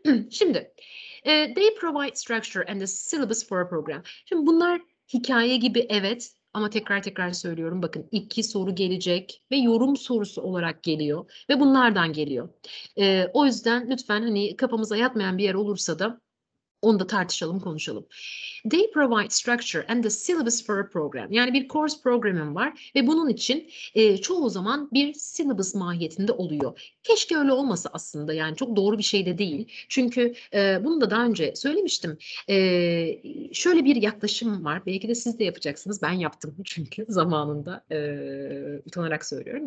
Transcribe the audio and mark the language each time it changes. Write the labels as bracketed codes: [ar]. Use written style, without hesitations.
[tr] Şimdi, [en] they provide structure and the syllabus for a program. [tr] Şimdi bunlar hikaye gibi, evet, ama tekrar tekrar söylüyorum. Bakın, iki soru gelecek ve yorum sorusu olarak geliyor. Ve bunlardan geliyor. O yüzden lütfen hani kafamıza yatmayan bir yer olursa da onu da tartışalım, konuşalım. [en] They provide structure and the syllabus for a program. [tr] Yani bir course programım var ve bunun için çoğu zaman bir syllabus mahiyetinde oluyor. Keşke öyle olmasa aslında, yani çok doğru bir şey de değil. Çünkü bunu da daha önce söylemiştim. Şöyle bir yaklaşım var, belki de siz de yapacaksınız. Ben yaptım çünkü zamanında, utanarak söylüyorum.